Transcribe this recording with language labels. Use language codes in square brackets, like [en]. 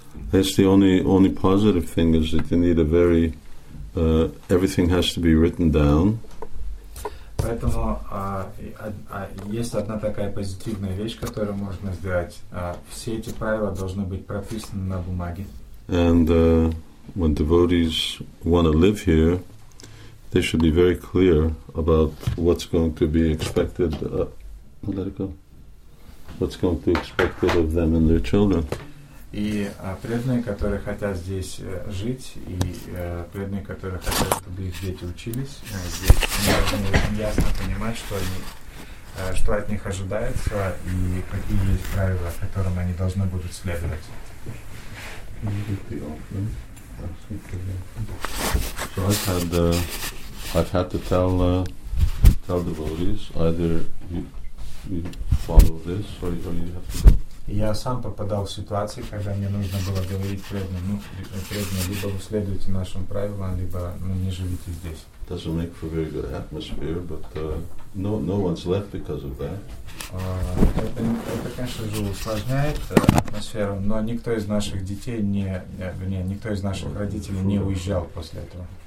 [en] That's the only positive thing is that you need a very everything has to be written down. [ru] Поэтому есть одна такая позитивная вещь, которую можно сделать. Все эти правила должны быть прописаны на бумаге. [en] And when devotees want to live here, they should be very clear about what's going to be expected. Let it go. What's going to be expected of them and their children? [ru] И преданные, которые хотят здесь жить, и преданные, которые хотят, чтобы их дети учились, здесь ясно понимать, что они, что от них ожидается, и какие есть правила, которым они должны будут следовать. [en] So I've had to tell devotees either you follow this or you have to. [ru] Я сам попадал в ситуации, когда мне нужно было говорить преданным, преданным, либо вы следуете нашим правилам, либо не живите здесь. [en] Doesn't make for very good atmosphere, but no one's left because of that. [ru] Это, конечно же, усложняет атмосферу, но никто из наших детей никто из наших родителей не уезжал после этого.